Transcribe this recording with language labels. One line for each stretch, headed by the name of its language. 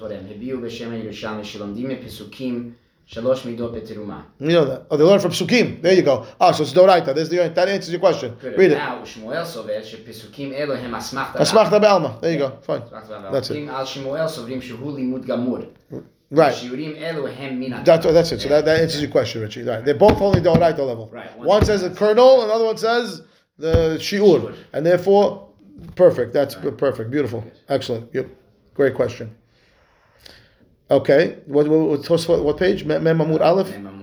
Hebrew: הביאו בשם הירושלמי שלומדים מפסוקים שלוש מידות בתרומה.
English: You know that. Oh, they learn from פסוקים. There you go. Ah, so it's Doraita. That answers your question. Good. Read it.
Hebrew: Now, שמואל סובר שפסוקים אלו הם אסמכתא בעלמא. אסמכתא בעלמא.
English: There you go. Fine. That's it.
Hebrew: על שמואל סוברים שהוא לימוד גמור.
English: Right. That's it. So that answers your question, Richie. Right. They're both only Doraita level. Right. One says the kernel, another one says the shiur. And therefore, perfect. That's right. Perfect. Beautiful. Yes. Excellent. Yep. Great question. Okay. What page? Mem Amud Aleph?